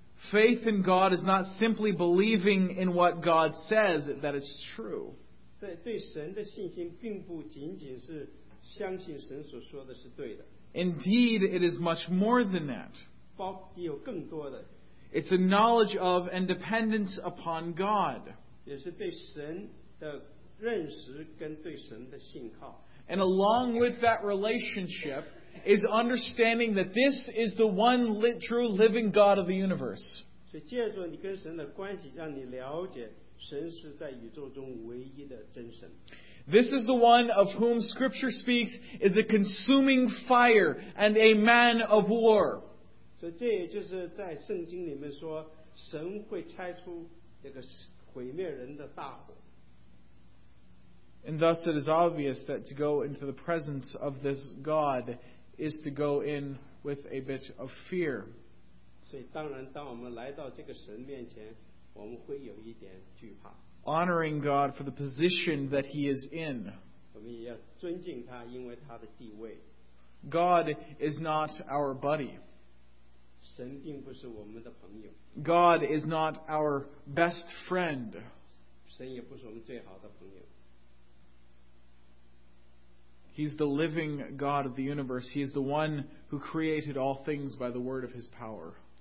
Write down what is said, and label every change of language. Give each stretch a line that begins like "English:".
English: Faith in God is not simply believing in what God says that it's true.
Chinese: 对神的信心并不仅仅是相信神所说的是对的。
English: Indeed, it is much more than that.
Chinese: 包也有更多的。
English: It's a knowledge of and dependence upon God.
Chinese: 也是对神的认识跟对神的信靠。
English: And along with that relationship, is understanding that this is the one true living God of the universe.
Chinese: 所以借助你跟神的关系，让你了解神是在宇宙中唯一的真神。
English: This is the one of whom Scripture speaks is a consuming fire and a man of war.
Chinese: 所以这也就是在圣经里面说，神会拆出这个毁灭人的大火。
English: And thus it is obvious that to go into the presence of this God is to go in with a bit of fear.
Chinese: 所以当然当我们来到这个神面前，我们会有一点惧怕。
English: Honoring God for the position that he is in.
Chinese: 我们也要尊敬他，因为他的地位。
English: God is not our buddy.
Chinese: 神并不是我们的朋友。
English: God is not our best friend.
Chinese: 神也不是我们最好的朋友。
English: He's the living God of the universe. He is the one who created all things by the word of his power.